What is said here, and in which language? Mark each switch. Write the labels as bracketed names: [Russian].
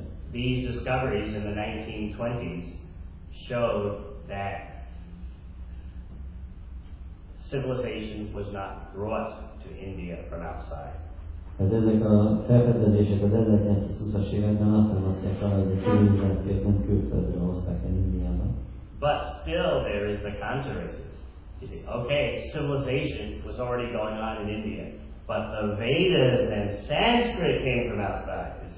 [English] These discoveries in the 1920s showed that civilization was not brought to India from outside. [Hungarian] Ezek a felfedezések az 1920-as években azt mutatják, hogy a civilizáció nem külföldről hozták el Indiába. [English] But still, there is the controversy. You see, okay, civilization was already going on in India, but the Vedas and Sanskrit came from outside.